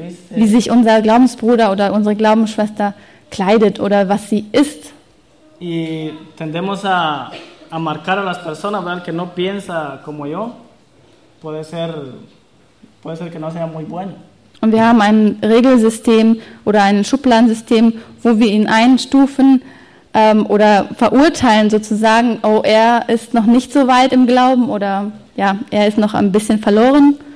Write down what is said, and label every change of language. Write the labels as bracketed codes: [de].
[de] Wie sich unser Glaubensbruder oder unsere Glaubensschwester kleidet oder was sie isst. [es] Y tendemos a marcar a las personas, ¿verdad? Que no piensa como yo. Puede ser que no sea muy bueno. [de] Und wir haben ein Regelsystem oder ein Schubladensystem, wo wir ihn einstufen oder verurteilen sozusagen, oh, er ist noch nicht so weit im Glauben oder ja, er ist noch ein bisschen verloren.